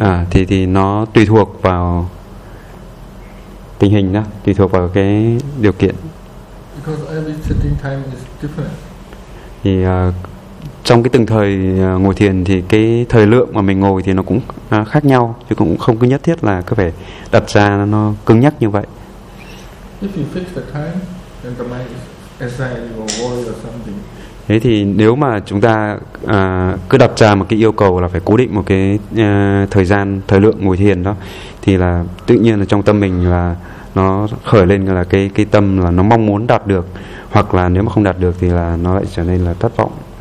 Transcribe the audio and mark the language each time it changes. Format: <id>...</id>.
<vi>Thì nó tùy thuộc vào tình hình đó, tùy thuộc vào cái điều kiện.</vi> <en>Because every sitting time is different.</en> <vi>Thì trong cái từng thời ngồi thiền thì cái thời lượng mà mình ngồi thì nó cũng khác nhau, chứ cũng không cứ nhất thiết là cứ phải đặt ra nó cứng nhắc như vậy.</vi> <en>If you fix the time, then the mind is anxiety or worry or something.</en> <vi>Thế thì nếu mà chúng ta cứ đặt ra một cái yêu cầu là phải cố định một cái thời gian, thời lượng ngồi thiền đó, thì là tự nhiên là trong tâm mình là nó khởi lên là cái tâm là nó mong muốn đạt được, hoặc là nếu mà không đạt được thì là nó lại trở nên là thất vọng.</vi>